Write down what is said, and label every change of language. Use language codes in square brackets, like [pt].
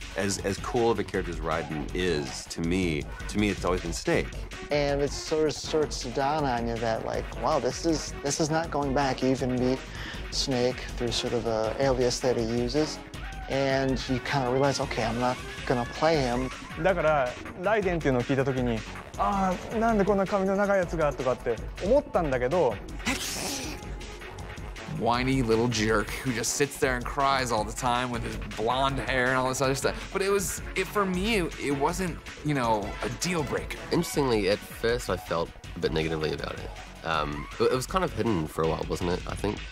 [en] As cool of a character as Raiden is, to me, it's always been Snake. And it sort of starts to dawn on you that like, wow, this is not going back. You even meet Snake through sort of a alias that he uses. And you kind of realize, okay, I'm not gonna play him. [ja] だからライデンっていうのを聞いたときに、ああなんでこんな髪の長いやつがとかって思ったんだけど。 [en] Whiny little jerk who just sits there and cries all the time with his blonde hair and all this other stuff. But it wasn't, you know, a deal breaker. Interestingly, at first I felt a bit negatively about it. It was kind of hidden for a while, wasn't it? I think.